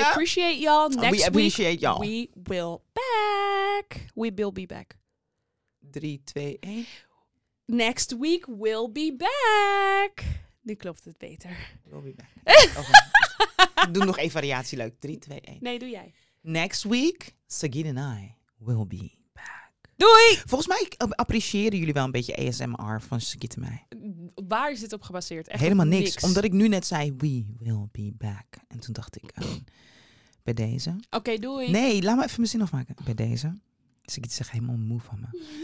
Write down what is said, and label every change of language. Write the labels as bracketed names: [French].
[English] We appreciate y'all. Next we appreciate week, y'all. We will back. We will be back. 3, 2, 1. Next week we'll be back. [Dutch] Nu klopt het beter. [English] We'll be back. Okay. [Dutch] Doe nog één variatie leuk. [English] 3, 2, 1. [Dutch] Nee, doe jij. [English] Next week, Sagit and I will be back. [Dutch] Doei! Volgens mij appreciëren jullie wel een beetje ASMR van Sagit en mij. Waar is dit op gebaseerd? Echt helemaal niks. Niks. Omdat ik nu net zei, [English] we will be back. [Dutch] En toen dacht ik, bij deze. Oké, doei. Nee, laat me even mijn zin afmaken. Bij deze. Sagit zegt helemaal moe van me.